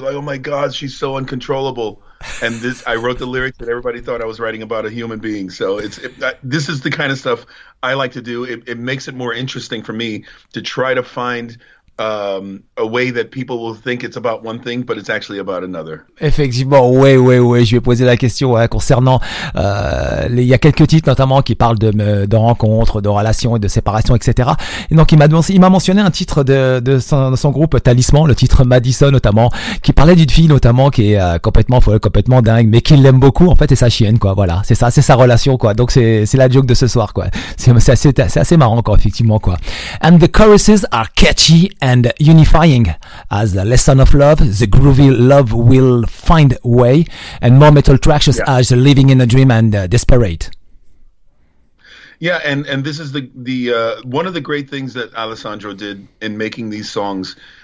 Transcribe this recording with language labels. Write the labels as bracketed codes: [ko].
[en] Like, oh my God, she's so uncontrollable. And this, I wrote the lyrics that everybody thought I was writing about a human being. So this is the kind of stuff I like to do. It makes it more interesting for me to try to find A way that people will think it's about one thing, but it's actually about another. [fr] Effectivement, oui. Je vais poser la question hein, concernant. Il y a quelques titres notamment qui parlent de rencontres, de relations et de séparations, etc. Et donc il m'a mentionné un titre de son groupe Talisman, le titre Madison notamment, qui parlait d'une fille notamment qui est complètement dingue, mais qui l'aime beaucoup en fait et sa chienne quoi. Voilà, c'est ça, c'est sa relation quoi. Donc c'est la joke de ce soir quoi. C'est assez marrant quoi, effectivement quoi. [en] And the choruses are catchy and unifying as the lesson of love, the groovy love will find way, and more metal tracks as living in a dream and desperate. Yeah, and this is the one of the great things that Alessandro did in making these songs.